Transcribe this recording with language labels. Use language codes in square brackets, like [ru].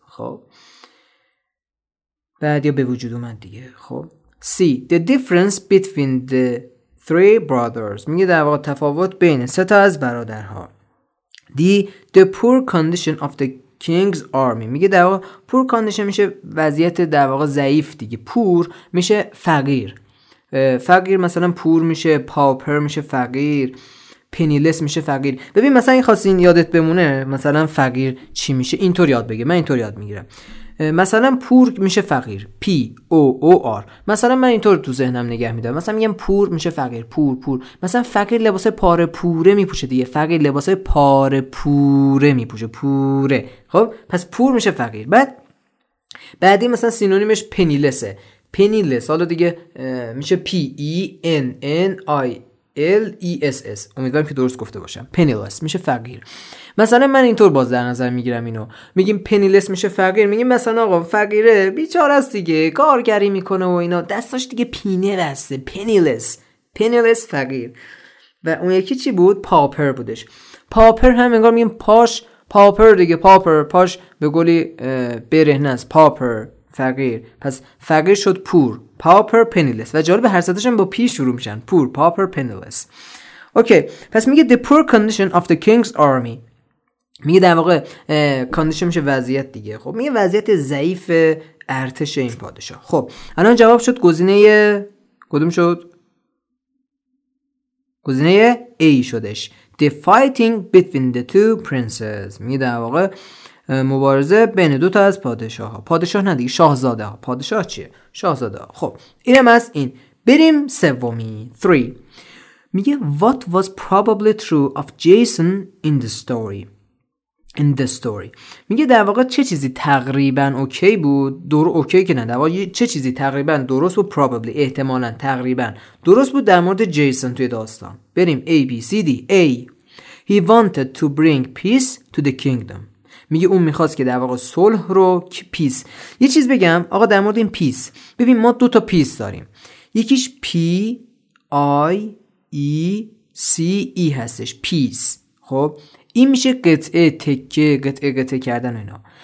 [fa] خب بعد یا به وجود اومد دیگه. خب C. [en] The difference between the three brothers. [fa] میگه در واقع تفاوت بین سه تا از برادرها. [en] D. The poor condition of the king's army. [fa] میگه در واقع poor condition میشه وضعیت در واقع ضعیف دیگه، poor میشه فقیر، فقیر مثلا poor میشه، pauper میشه فقیر، پنیلس میشه فقیر. ببین مثلا این خواستین یادت بمونه مثلا فقیر چی میشه، اینطور یاد بگه، من اینطور یاد میگیرم. مثلا پور میشه فقیر، P O O R. مثلا من اینطور تو ذهنم نگه میدارم، مثلا میگم پور میشه فقیر، پور پور. مثلا فقیر لباس پاره پوره میپوشه دیگه، فقیر لباس پاره پوره میپوشه، پوره. خب پس پور میشه فقیر. بعدی مثلا سینونیمش پنیلسه، پنیلس حالا دیگه میشه P E N N I L E S S. امیدوارم که درست گفته باشم. پنیلس میشه فقیر. مثلا من اینطور باز در نظر میگیرم اینو، میگیم پنیلس میشه فقیر، میگیم مثلا آقا فقیره، بیچاره است دیگه، کارگری میکنه و اینا، دستاش دیگه پینه بسته، پنیلس. پنیلس فقیر. و اون یکی چی بود؟ پاپر بودش. پاپر هم انگار میگیم پاش پاپر دیگه، پاپر پاش به گلی برهنه است، پاپر فقیر. پس فقیر شد پور، پاپر پنیلس. و جالب هر سه تاشون با پی شروع میشن، پور پاپر پنیلس. اوکی پس میگه [en] the poor condition of the king's army. [fa] میگه در واقع کاندیشن میشه وضعیت دیگه. خب میگه وضعیت ضعیف ارتش این پادشاه. خب الان جواب شد گزینه کدوم شد؟ گزینه A شدش. [en] The fighting between the two princes. [fa] میگه در واقع مبارزه بین دو تا از پادشاه ها. پادشاه نه دیگه، شاهزاده ها. پادشاه چیه؟ شاهزاده ها. خب اینم از این. بریم سومی. 3 میگه [en] What was probably true of Jason in the story؟ [fa] In the story میگه در واقع چه چیزی تقریبا اوکی بود؟ اوکی که نه، در واقع چه چیزی تقریبا درست بود؟ probably احتمالا تقریبا درست بود در مورد جیسون توی داستان. بریم A B C D. [en] A He wanted to bring peace to the kingdom. [fa] میگه اون میخواست که در واقع صلح رو پیس. یه چیز بگم آقا در مورد این پیس، ببین ما دو تا پیس داریم، یکیش P I E C E هستش، پیس. خب این میشه قطعه تکه، قطعه قطعه کردن اینا.